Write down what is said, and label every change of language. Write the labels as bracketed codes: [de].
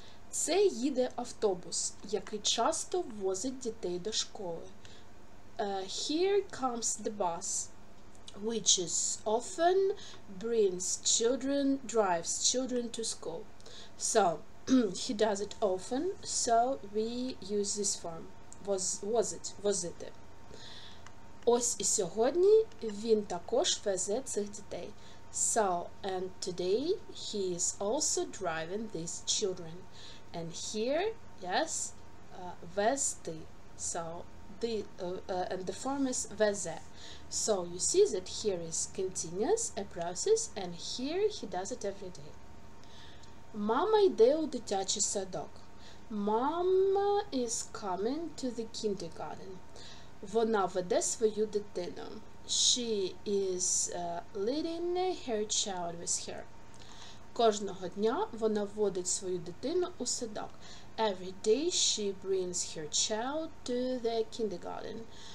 [uk] Це їде автобус, який часто возить дітей до школи. [en] Here comes the bus, which is often brings children, drives children to school. So, he does it often, so we use this form. [uk] Возити. Ось і сьогодні він також везе цих дітей. [en] So, and today he is also driving these children. And here, yes, везти. So, and the form is везе. So, you see that here is continuous, a process, and here he does it every day. [uk] Мама йде у дитячий садок. [en] Мама is coming to the kindergarten. [uk] Вона веде свою дитину. [en] She is leading her child with her. [uk] Кожного дня вона водить свою дитину у садок. [en] Every day she brings her child to the kindergarten.